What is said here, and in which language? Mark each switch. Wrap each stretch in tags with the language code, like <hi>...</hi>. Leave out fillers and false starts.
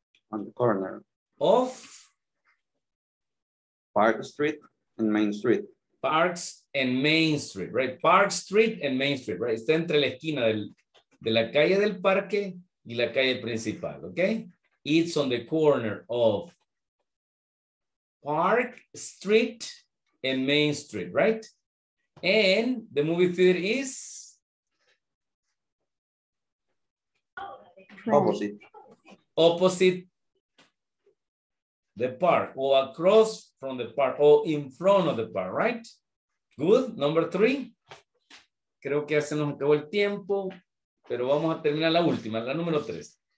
<en>On the corner. Of? Park Street and Main Street. Parks and Main Street, right? Park Street and Main Street, right?</en> <es>Está entre la esquina de la calle del parque y la calle principal, okay?</es> <en>It's on the corner of Park Street and Main Street, right? And the movie theater is? Opposite. Opposite the park, or across from the park, or in front of the park, right? Good. Number three.</en> <es>Creo que ya se nos acabó el tiempo, pero vamos a terminar la última, la número tres.</es>